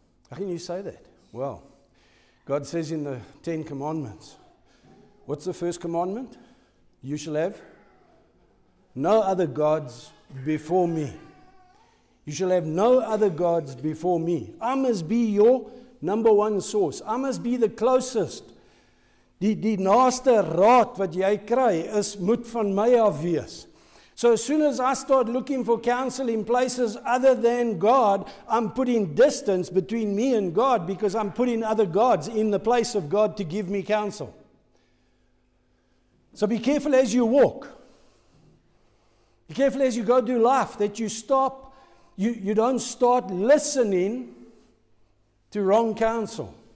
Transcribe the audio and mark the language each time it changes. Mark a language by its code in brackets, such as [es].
[en] How can you say that? Well, God says in the Ten Commandments, what's the first commandment? You shall have no other gods before me. You shall have no other gods before me. I must be your number one source. I must be the closest. [af] Die naaste raad wat jy kry is moet van my af wees. [en] So as soon as I start looking for counsel in places other than God, I'm putting distance between me and God because I'm putting other gods in the place of God to give me counsel. So be careful as you walk. Be careful as you go do life that you stop, you don't start listening to wrong counsel.